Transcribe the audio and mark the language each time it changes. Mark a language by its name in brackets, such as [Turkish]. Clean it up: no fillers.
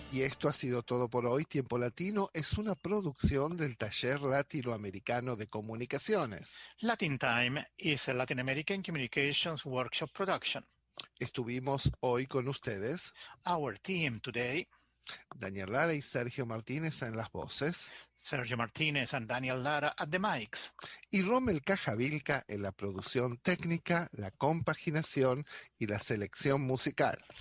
[Spanish] Esto ha sido todo por hoy. Tiempo Latino es una producción del Taller Latinoamericano de Comunicaciones. [English] Latin Time is a Latin American Communications Workshop production. [Spanish] Estuvimos hoy con ustedes. [English] Our team today. [Spanish] Daniel Lara y Sergio Martínez en las voces. [English] Sergio Martínez and Daniel Lara at the mics. [Spanish] Y Rommel Cajavilca en la producción técnica, la compaginación y la selección musical.